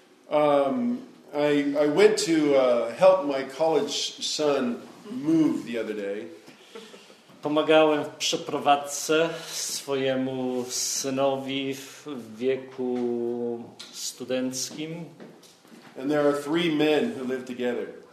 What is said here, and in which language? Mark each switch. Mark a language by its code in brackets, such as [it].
[en] I went to help my college son move the other day. [pl] Pomagałem w przeprowadzce swojemu synowi w wieku studenckim. [en] And there are three men who live together.